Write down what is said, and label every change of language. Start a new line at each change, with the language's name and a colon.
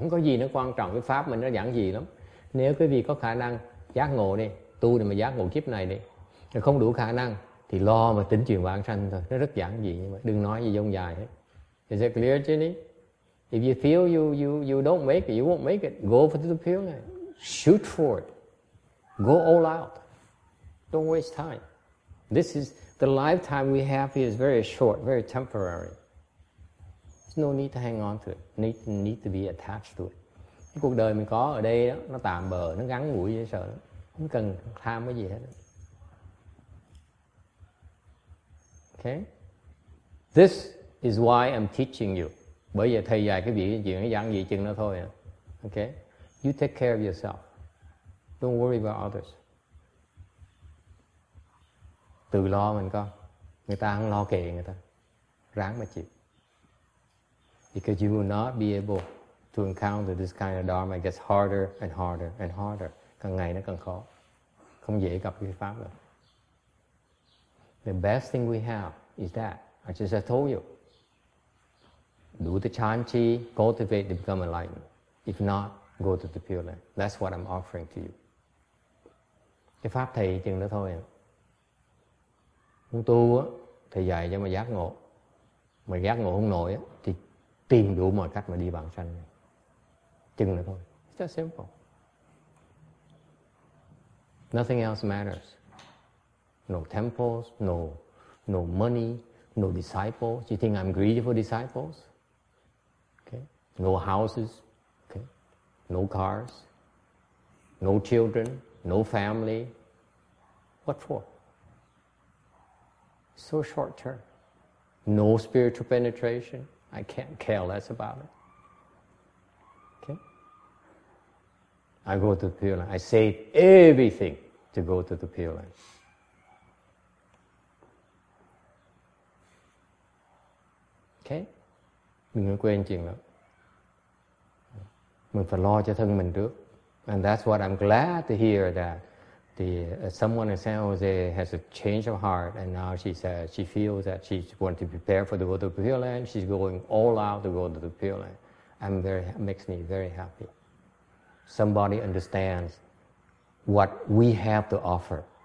Vietnamese: Không có gì nó quan trọng, cái pháp mình nó giảng gì lắm. Nếu quý vị có khả năng giác ngộ đi, tu thì mà giác ngộ kiếp này đi, không đủ khả năng thì lo mà tính chuyện vãng sanh thôi. Nó rất giản dị, nhưng mà đừng nói gì dông dài hết.
English: Is it clear, Jenny? If you feel you don't make it, you won't make it, go for the pure land. Shoot for it. Go all out. Don't waste time. This is the lifetime we have is very short, very temporary. No need to hang on to it. Need to be attached to it.
Vietnamese: Cái cuộc đời mình có ở đây đó, nó tạm bờ, nó gắn mũi dễ sợ lắm. Không cần tham cái gì hết.
English: Okay? This is why I'm teaching you.
Vietnamese: Bởi vì thầy dạy cái vị chuyện cái dạng gì chừng đó thôi.
English: Okay? You take care of yourself. Don't worry about others.
Vietnamese: Tự lo mình con. Người ta không lo kệ người ta. Ráng mà chịu.
English: Because you will not be able to encounter this kind of dharma. It gets harder and harder and harder.
Vietnamese: Càng ngày nó càng khó. Không dễ gặp cái pháp đâu.
English: The best thing we have is that. I just have told you. Do the chan chi, cultivate to become enlightened. If not, go to the Pure Land. That's what I'm offering to you.
Vietnamese: Cái pháp thầy chừng đó thôi. Muốn tu á, thầy dạy cho mà giác ngộ. Mà giác ngộ không nổi á, thì tìm đủ mọi cách mà đi bằng sanh. Chừng đó thôi.
English: It's just simple. Nothing else matters. No temples, no money, no disciples. You think I'm greedy for disciples? Okay. No houses, okay. No cars, no children, no family. What for? So short term. No spiritual penetration. I can't care less about it. Okay. I go to the Pure Land. I save everything to go to the Pure Land. Okay.
Vietnamese: Mình không quên chuyện đó. Mình phải lo cho thân mình trước.
English: And that's what I'm glad to hear that someone in San Jose has a change of heart, and now she says she feels that she's going to prepare for the go to the Pure Land. She's going all out to go to the Pure Land. I'm very, makes me very happy. Somebody understands what we have to offer.